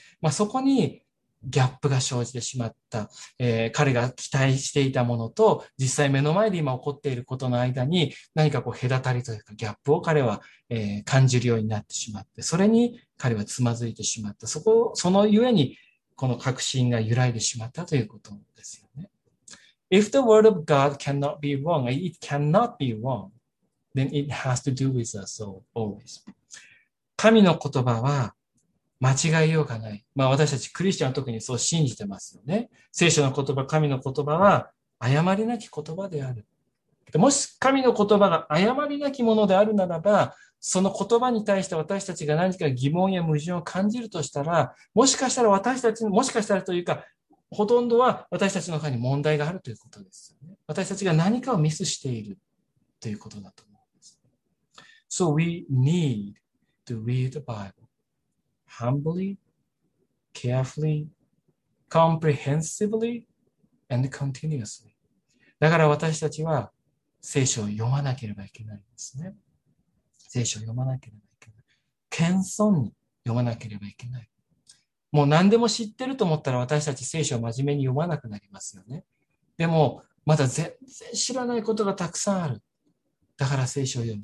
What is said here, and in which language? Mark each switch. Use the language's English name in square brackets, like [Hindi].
[Japanese] まあ、そこにギャップが生じてしまった、彼が期待していたものと実際目の前で今起こっていることの間に何かこう隔たりというかギャップを彼は、感じるようになってしまって、それに彼はつまずいてしまった。そのゆえにこの確信が揺らいでしまったということですよね。 [English] If the word of God cannot be wrong, it cannot be wrong, then it has to do with us always. [Japanese] 神の言葉は間違いようがない。まあ私たちクリスチャンは特にそう信じてますよね。聖書の言葉、神の言葉は誤りなき言葉である。もし神の言葉が誤りなきものであるならば、その言葉に対して私たちが何か疑問や矛盾を感じるとしたら、もしかしたら私たちの、もしかしたらというか、ほとんどは私たちの中に問題があるということですよね。私たちが何かをミスしているということだと思うんです。 [English] So we need to read the Bible humbly, carefully, comprehensively, and continuously. [Japanese] だから私たちは聖書を読まなければいけないんですね。聖書を読まなければいけない。謙遜に読まなければいけない。もう何でも知ってると思ったら私たち聖書を真面目に読まなくなりますよね。でも、まだ全然知らないことがたくさんある。だから聖書を読む。